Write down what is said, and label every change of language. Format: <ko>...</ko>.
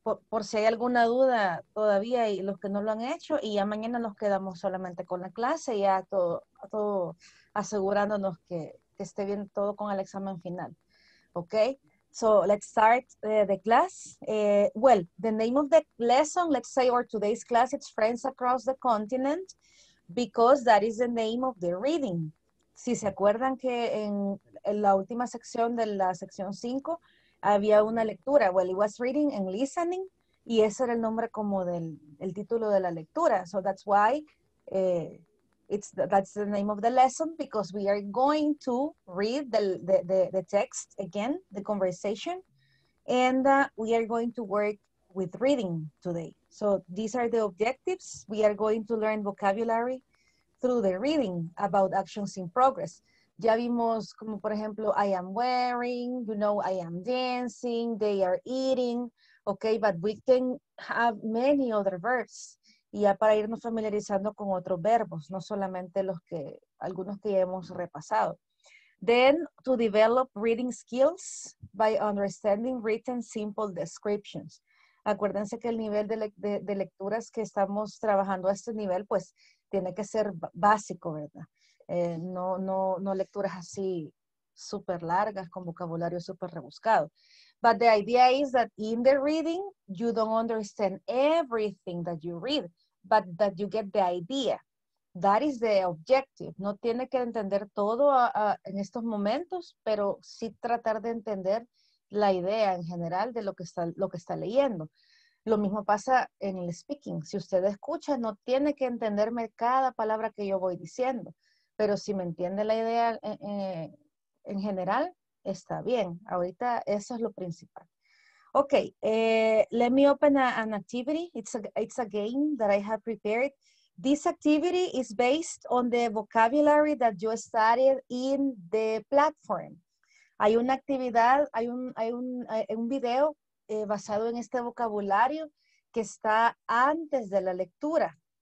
<es>Por si hay alguna duda todavía y los que no lo han hecho, y ya mañana nos quedamos solamente con la clase, ya todo asegurándonos que esté bien todo con el examen final.</es> <en>Ok, so let's start the class. Well, the name of the lesson, let's say, or today's class, it's Friends Across the Continent, because that is the name of the reading.</en> <es>Si se acuerdan que en la última sección de la sección 5, había una lectura, well, it was reading and listening, y ese era el nombre como del el título de la lectura.</es> <en>So that's why that's the name of the lesson, because we are going to read the text again, the conversation, and we are going to work with reading today. So these are the objectives. We are going to learn vocabulary through the reading about actions in progress. Ya vimos como, por ejemplo, I am wearing, you know, I am dancing, they are eating, okay, but we can have many other verbs.</en> <es>Y ya para irnos familiarizando con otros verbos, no solamente algunos que ya hemos repasado.</es> <en>Then, to develop reading skills by understanding written simple descriptions.</en> <es>Acuérdense que el nivel de lecturas que estamos trabajando a este nivel, pues, tiene que ser básico, ¿verdad? No lecturas así super largas con vocabulario super rebuscado.</es> <en>But the idea is that in the reading, you don't understand everything that you read, but that you get the idea. That is the objective.</en> <es>No tiene que entender todo en estos momentos, pero sí tratar de entender la idea en general de lo que está leyendo. Lo mismo pasa en el speaking. Si usted escucha, no tiene que entenderme cada palabra que yo voy diciendo. Pero si me entiende la idea en general, está bien.</es> <en>Ahorita eso es lo principal. Ok, let me open an activity. It's a game that I have prepared. This activity is based on the vocabulary that you studied in the platform.</en> <es>Hay una actividad, hay un video basado en este vocabulario que está antes de la lectura.</es>